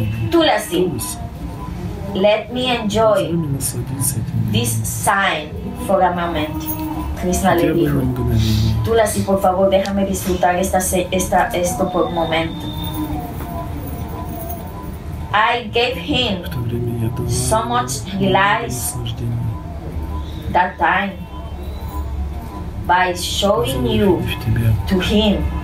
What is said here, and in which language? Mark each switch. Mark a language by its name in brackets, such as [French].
[English] Tulasi, let me enjoy this sign for a moment. [Spanish] Krishna le dijo, Tulasi, por favor, déjame disfrutar esto por un momento. [English] I gave him so much lies that time by showing you to him